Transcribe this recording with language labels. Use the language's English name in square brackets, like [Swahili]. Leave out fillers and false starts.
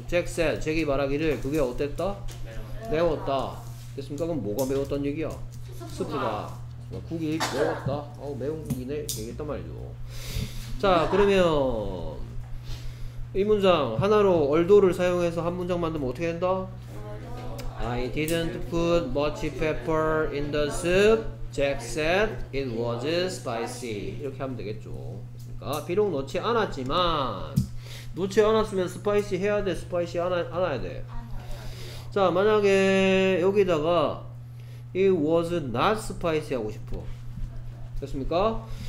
[English] Jack said, [Korean] Jack이 말하기를 그게 어땠다? 매웠다. 됐습니까? 그럼 뭐가 매웠단 얘기야? 수프가. 국이 매웠다. 아우 매운 국이네 얘기했단 말이죠. 자 그러면 이 문장 하나로 얼도를 사용해서 한 문장 만들면 어떻게 된다? [English] I didn't put much pepper in the soup. Jack said it was spicy. [Korean] 이렇게 하면 되겠죠. 그러니까 비록 넣지 않았지만 넣지 않았으면 스파이시 해야 돼. 스파이시 안아야 돼. 자 만약에 여기다가 [English] It was not spicy [Korean] 하고 싶어. 됐습니까?